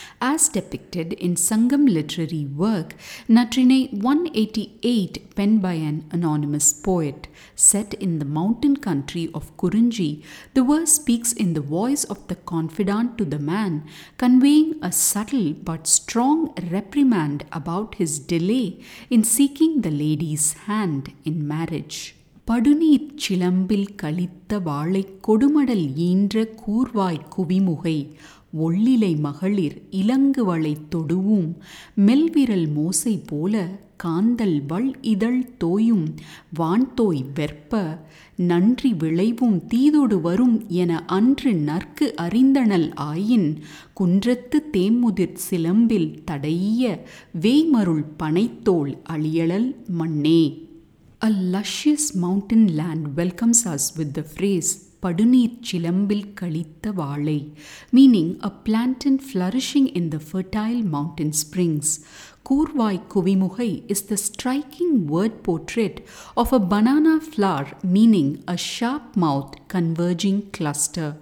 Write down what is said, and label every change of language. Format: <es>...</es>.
<en>As depicted in Sangam Literary work, Natrinai 188, penned by an anonymous poet. Set in the mountain country of Kurinji, the verse speaks in the voice of the confidant to the man, conveying a subtle but strong reprimand about his delay in seeking the lady's hand in marriage.</en> <ta>Paduni chilambil kalitha vaalai kodumadal yendra koorvai kuvimugai ஒள்ளிலை மகளிர் இலங்கு வளை தொடுவும் மெல்விரல் மோசை போல காந்தல் வள் இதழ் தோயும் வான்தோய் வெற்ப நன்றி விளைவும் தீதோடு வரும் என அன்று நற்கு அறிந்தனல் ஆயின் குன்றத்து தேமுதிர் சிலம்பில் தடைய வேய்மருள் பனைத்தோல் அழியழல் மண்ணே.</ta> <en>A luscious mountain land welcomes us with the phrase Paduneer Chilambil Kalitha Vaalai, meaning a plantain flourishing in the fertile mountain springs. Koorvai Kuvimuhai is the striking word portrait of a banana flower, meaning a sharp mouth converging cluster.</en>